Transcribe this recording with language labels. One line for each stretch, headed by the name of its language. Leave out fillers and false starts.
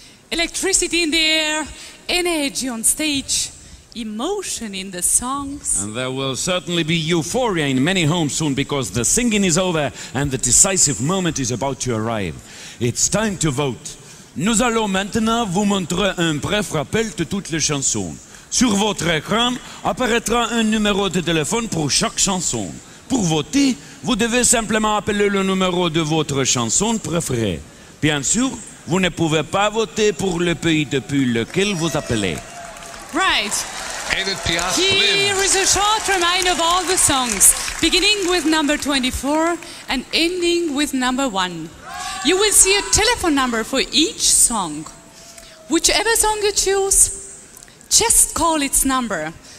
English: Electricity in the air, energy on stage, emotion in the songs. And there will certainly be euphoria in many homes soon, because the singing is over and the decisive moment is about to arrive. It's time to vote.
French: Nous allons maintenant vous montrer un bref rappel de toutes les chansons. Sur votre écran apparaîtra un numéro de téléphone pour chaque chanson. Pour voter, vous devez simplement appeler le numéro de votre chanson préférée. Bien sûr, vous ne pouvez pas voter pour le pays depuis lequel vous appelez.
English: Right. Here is a short reminder of all the songs, beginning with number 24 and ending with number 1. You will see a telephone number for each song. Whichever song you choose, just call its number.